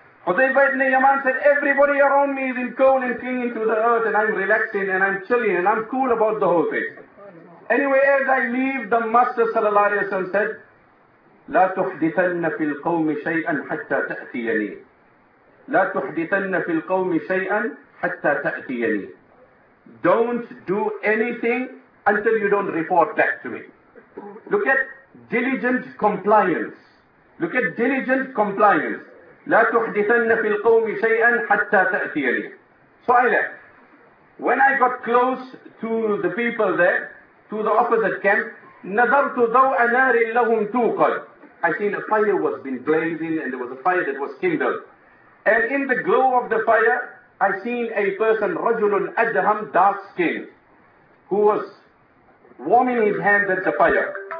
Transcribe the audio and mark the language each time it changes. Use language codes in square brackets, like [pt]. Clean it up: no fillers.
[en] Hudhayfa ibn Yaman said, everybody around me is in cold and clinging to the earth, and I'm relaxing and I'm chilling and I'm cool about the whole thing. Anyway, as I leave, the Master sallallahu alayhi wa sallam said, [ar] لا تحدثن في القوم شيئا حتى تأتيني. لا تحدثن في القوم شيئا حتى تأتيني. [en] Don't do anything until you don't report back to me. Look at diligent compliance. Look at diligent compliance. [ar] لا تحدثن في القوم شيئا حتى تأتيني. [en] So I left. When I got close to the people there, to the opposite camp, [ar] نظرت ضوء نار لهم توقد. [en] I seen a fire was been blazing, and there was a fire that was kindled. And in the glow of the fire, I seen a person, [ar] رجلٌ أدهم, [en] dark skin, who was warming his hands at the fire.